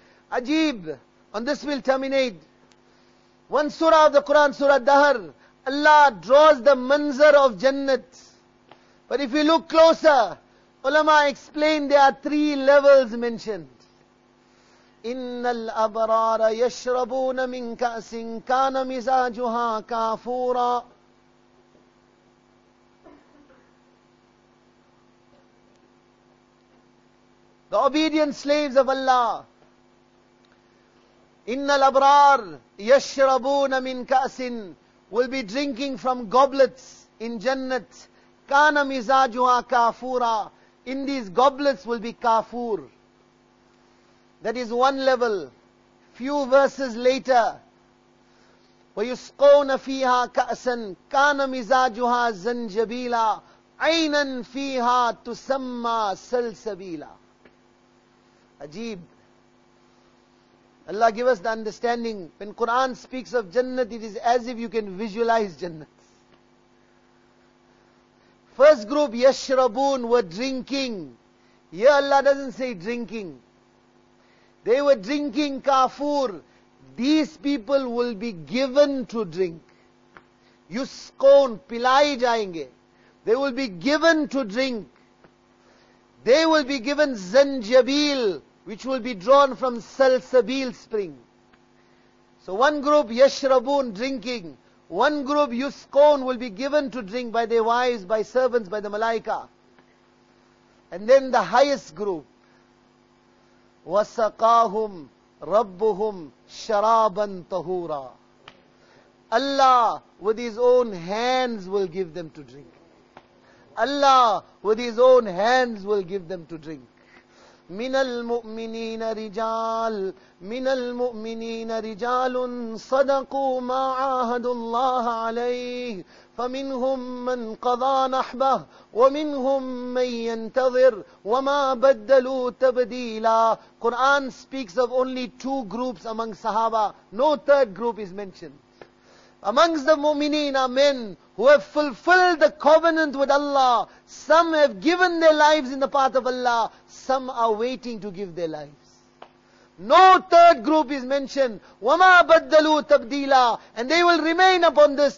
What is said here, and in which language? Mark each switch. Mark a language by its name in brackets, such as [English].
[English] Ajeeb, on this we'll terminate. One surah of the Quran, Surah Dahar, Allah draws the manzar of Jannat. But if you look closer, ulama explained there are three levels mentioned. [Arabic] إِنَّ الْأَبْرَارَ يَشْرَبُونَ مِنْ كَأْسٍ كَانَ مِزَاجُهَا كَافُورًا [English] The obedient slaves of Allah. [Arabic] إِنَّ الْأَبْرَارَ يَشْرَبُونَ مِنْ كَأْسٍ [English] will be drinking from goblets in Jannat. [Arabic] كَانَ مِزَاجُهَا كَافُورًا [English] In these goblets will be kafur. That is one level. [Arabic] Few verses later, وَيُسْقَوْنَ فِيهَا كَأْسًا كَانَ مِزَاجُهَا زَنْجَبِيلًا عَيْنًا فِيهَا تُسَمَّى سَلْسَبِيلًا Ajeeb. [English] Allah give us the understanding. When Quran speaks of Jannat, it is as if you can visualize Jannat. First group, يَشْرَبُونَ were drinking. Here Allah doesn't say drinking. They were drinking kafur. These people will be given to drink. Yuskon, [Urdu] pilai jayenge. [English] They will be given to drink. They will be given zanjabil, which will be drawn from salsabil spring. So one group, yashrabun, drinking. One group, yuskon, will be given to drink by their wives, by servants, by the malaika. And then the highest group, [Arabic] وَسَقَاهُمْ رَبُّهُمْ شَرَابًا طَهُورًا [English] Allah with His own hands will give them to drink. Allah with His own hands will give them to drink. [Arabic] مِنَ الْمُؤْمِنِينَ رِجَالٌ مِنَ الْمُؤْمِنِينَ رِجَالٌ صَدَقُوا مَا عَاهَدُوا اللَّهَ عَلَيْهِ فَمِنْهُمْ مَنْ قَضَى نَحْبَهُ وَمِنْهُمْ مَنْ يَنْتَظِرُ وَمَا بَدَّلُوا تَبْدِيلًا [English] Quran speaks of only two groups among Sahaba. No third group is mentioned. Amongst the mu'mineen are men who have fulfilled the covenant with Allah. Some have given their lives in the path of Allah. Some are waiting to give their lives. No third group is mentioned. [Arabic] وَمَا بَدَّلُوا تَبْدِيلًا [English] And they will remain upon this.